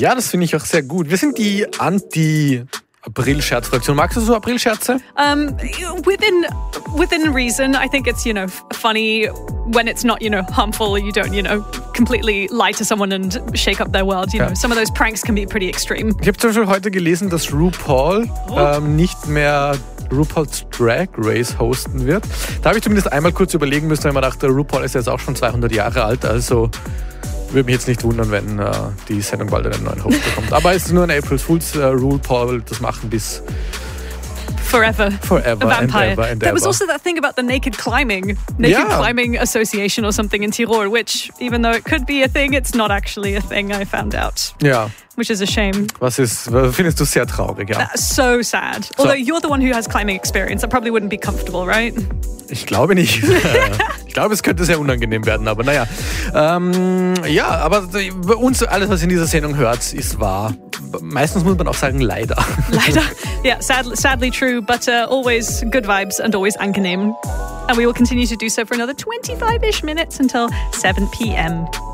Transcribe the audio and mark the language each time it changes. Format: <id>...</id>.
<de>Ja, das finde ich auch sehr gut. Wir sind die Anti-April-Scherz-Fraktion. Magst du so April-Scherze?</de> <en>Within reason, I think it's, you know, funny when it's not, you know, harmful. You don't, you know, completely lie to someone and shake up their world. You know, some of those pranks can be pretty extreme.</en> <de>Ich habe zum Beispiel heute gelesen, dass RuPaul nicht mehr RuPaul's Drag Race hosten wird. Da habe ich zumindest einmal kurz überlegen müssen, weil man dachte, RuPaul ist jetzt auch schon 200 Jahre alt, also würde mich jetzt nicht wundern, wenn die Sendung bald einen neuen Host bekommt. Aber es ist nur ein April Fool's RuPaul, das machen bis</de> <en>Forever. A vampire. And ever and there was ever. Also that thing about the Naked Climbing. Naked yeah. Climbing Association or something in Tirol, which, even though it could be a thing, it's not actually a thing, I found out. Yeah. Which is a shame.</en> <de>Findest du sehr traurig, ja.</de> <en>So sad. So. Although you're the one who has climbing experience, that probably wouldn't be comfortable, right?</en> <de>Ich glaube nicht. Ich glaube, es könnte sehr unangenehm werden, aber naja. Ja, aber bei uns, alles, was ihr in dieser Sendung hört, ist wahr. Meistens muss man auch sagen, leider. Leider.</de> <en>Yeah, sadly true, but always good vibes and always angenehm. And we will continue to do so for another 25-ish minutes until 7 p.m.</en>